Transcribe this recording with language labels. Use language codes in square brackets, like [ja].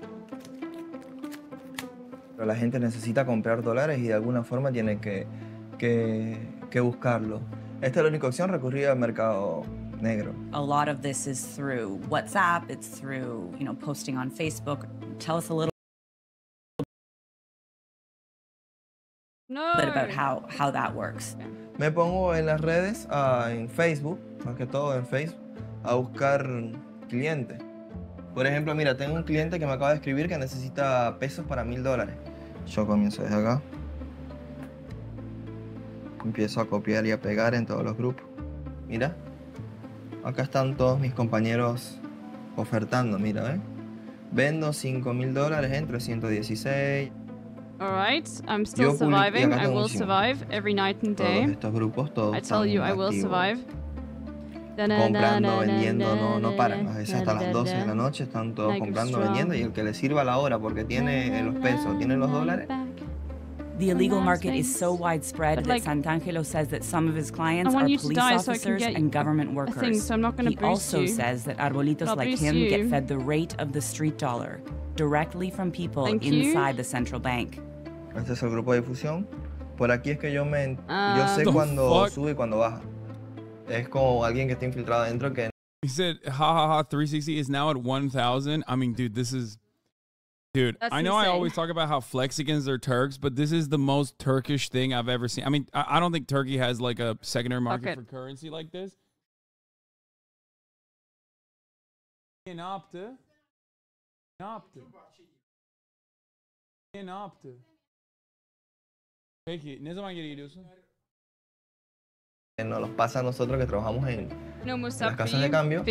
[es] Pero la gente necesita comprar dólares y de alguna forma tiene que buscarlo. Esta es la única opción, recurrir al mercado negro. [en] A lot of this is through WhatsApp, it's through, you know, posting on Facebook. Tell us a little bit about how that works. [es] Me pongo en las redes, en Facebook, más que todo en Facebook, a buscar clientes. Por ejemplo, mira, tengo un cliente que me acaba de escribir que necesita pesos para $1,000. Yo comienzo desde acá. Empiezo a copiar y a pegar en todos los grupos. Mira, acá están todos mis compañeros ofertando, mira, ¿eh? Vendo $5,000 en 316. [en] All right, I'm still surviving. I will survive every night and day. [es] Todos estos grupos, todos [en] I tell you, I will survive. [es] Comprando, vendiendo, no paran. A veces hasta las 12 de la noche están todos comprando, vendiendo, y el que le sirva la hora porque tiene los pesos, tiene los dólares. [en] The illegal market is so widespread that Santangelo says that some of his clients are police officers and government workers. He also says that arbolitos like him get fed the rate of the street dollar directly from people inside the central bank. [es] Este es el grupo de difusión. Por aquí es que yo me... Yo sé cuando sube y cuando baja. Es como alguien que está infiltrado dentro que... [en] He said, ha ha ha, 360 is now at 1,000. I mean, dude, this is... Dude, that's I know insane. I always talk about how Flexicans are Turks, but this is the most Turkish thing I've ever seen. I mean, I don't think Turkey has like a secondary market for currency like this. [es] No nos pasa a nosotros que trabajamos en las casas de cambio.